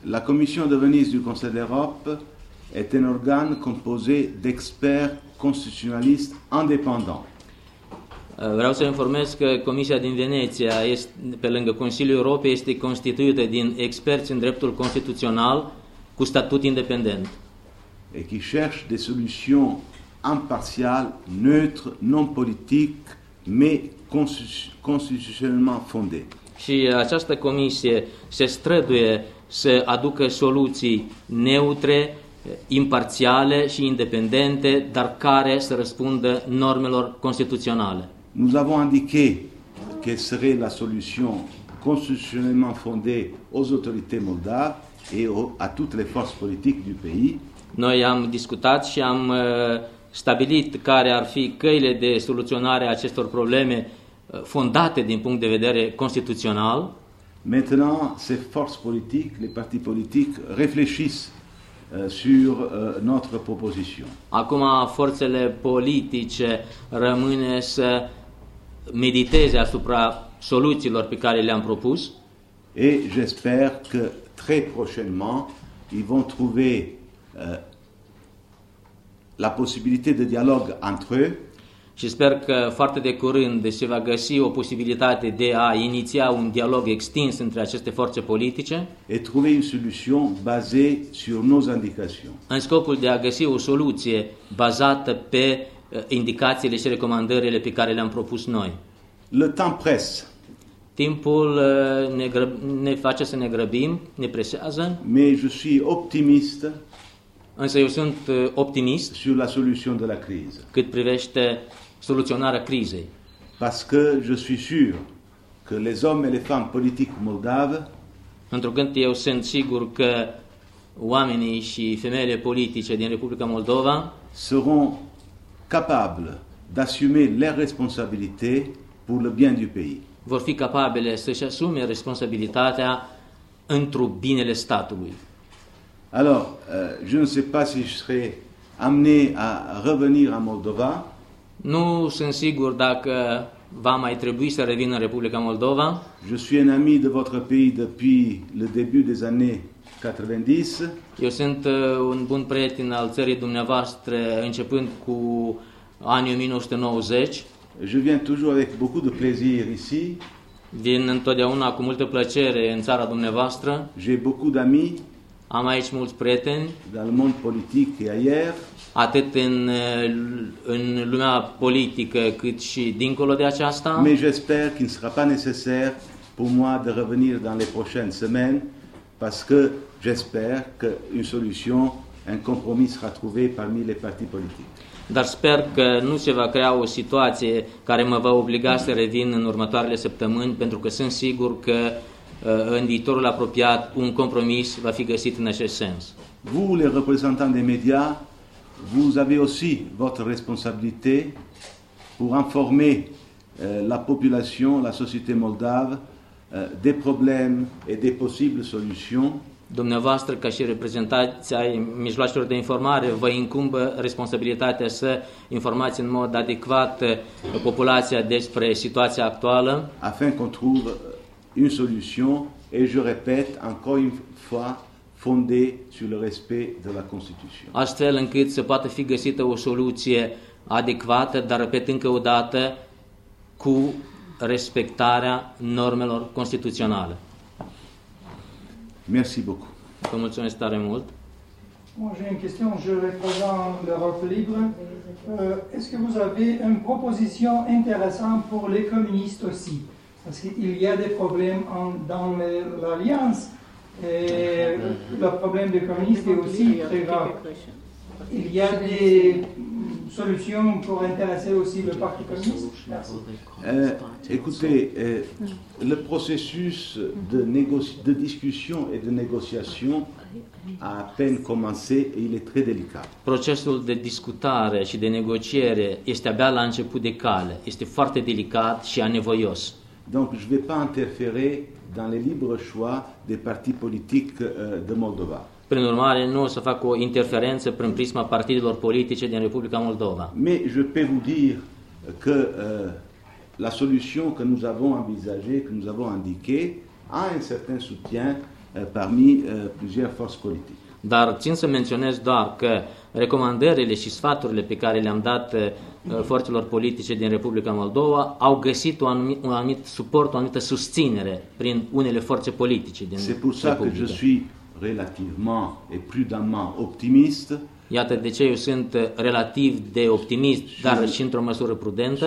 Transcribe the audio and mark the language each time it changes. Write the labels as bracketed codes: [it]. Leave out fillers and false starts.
[fr] La Commission de Venise du Conseil d'Europe est un organe composé d'experts constitutionnalistes indépendants. [ro] Vreau să informez că Comisia din Veneția, pe lângă Consiliul Europei, este constituită din experți în dreptul constituțional cu statut independent. [fr] Et qui cherche des solutions impartiales, neutres, non politiques, mais constitutionnellement fondées. [ro] Și această comisie se străduie să aducă soluții neutre, imparțiale și independente, dar care să răspundă normelor constituționale. [fr] Nous avons indiqué quelle serait la solution constitutionnellement fondée aux autorités moldaves et à toutes les forces politiques du pays. [ro] Noi am discutat și am stabilit care ar fi căile de soluționare a acestor probleme fondate din punct de vedere constituțional. [fr] Maintenant, ces forces politiques, les partis politiques réfléchissent sur notre proposition. [ro] Acum forțele politice rămâne să mediteze asupra soluțiilor pe care le-am propus. [fr] Et j'espère que très prochainement ils vont trouver la possibilité de dialogue entre eux. [ro] Și sper că foarte de curând se va găsi o posibilitate de a iniția un dialog extins între aceste forțe politice. [fr] Et trouver une solution basée sur nos indications. [ro] În scopul de a găsi o soluție bazată pe indicațiile și recomandările pe care le-am propus noi. [fr] Le temps presse. [ro] Timpul ne face să ne grăbim, ne presează. [fr] Mais je suis optimiste. [ro] Însă eu sunt optimist [fr] sur la solution de la crise. [ro] Cât privește soluționarea crizei. [fr] Parce que je suis sûr que les hommes et les femmes politiques moldaves. [ro] Întrucât eu sunt sigur că oamenii și femeile politice din Republica Moldova [fr] seront capables d'assumer leurs responsabilités pour le bien du pays. [ro] Vor fi capabile să-și asume responsabilitatea întru binele statului. [fr] Alors, je ne sais pas si je serai amené à revenir à Moldova. [ro] Nu sunt sigur dacă va mai trebui să revin în Republica Moldova. [fr] Je suis un ami de votre pays depuis le début des années 90. [ro] Eu sunt un bun prieten al țării dumneavoastră începând cu anii 1990. [fr] Je viens toujours avec beaucoup de plaisir ici. [ro] Vin întotdeauna cu multă plăcere în țara dumneavoastră. [fr] J'ai beaucoup d'amis. [ro] Am aici mulți prieteni. [fr] Dans le monde politique et ailleurs. [ro] Atât în lumea politică cât și dincolo de aceasta. [fr] Mais j'espère qu'il ne sera pas nécessaire pour moi de revenir dans les prochaines semaines. Parce que j'espère que une solution, un compromis sera trouvé parmi les partis politiques. [ro] Dar sper că nu se va crea o situație care mă va obliga să revin în următoarele săptămâni, pentru că sunt sigur că în viitorul apropiat un compromis va fi găsit în acest sens. [fr] Vous les représentants des médias, vous avez aussi votre responsabilité pour informer la population, la société moldave des problèmes et des possibles solutions. [ro] Dumneavoastră, ca și reprezentanți ai mijloacelor de informare, vă incumbă responsabilitatea să informați în mod adecvat populația despre situația actuală. [fr] Afin qu'on trouve une solution, et je répète encore une fois, fondée sur le respect de la Constitution. [ro] Astfel încât să poată fi găsită o soluție adecvată, dar repet încă o dată, cu respectarea normelor constituționale. [fr] Merci beaucoup. [ro] Vă mulțumesc tare mult. [fr] Moi, j'ai une question, je représente l'Europe libre. Est-ce que vous avez une proposition intéressante pour les communistes aussi? Parce qu'il y a des problèmes en, dans l'Alliance, et le problème des communistes est aussi très grave. Il y a des solutions pour intéresser aussi le Parti communiste? Écoutez, le processus de, de discussion et de négociation a à peine commencé et il est très délicat. [ro] Procesul de discutare și de negociere este abia la început de cale. Este foarte delicat și anevoios. [fr] Donc je vais pas interférer dans les libres choix des partis politiques de Moldova. [ro] Prin urmare, nu o să fac o interferență prin prisma partidelor politice din Republica Moldova. [fr] Mais je peux vous dire que la solution que nous avons envisagée, que nous avons indiquée, a un certain soutien parmi plusieurs forces politiques. [ro] Dar țin să menționez doar că recomandările și sfaturile pe care le-am dat forțelor politice din Republica Moldova au găsit un anumit suport, o anumită susținere prin unele forțe politice din [fr] Republica. C'est pour ça que je suis relativement et prudemment optimiste. [ro] Iată de ce eu sunt relativ de optimist, dar și într-o măsură prudentă.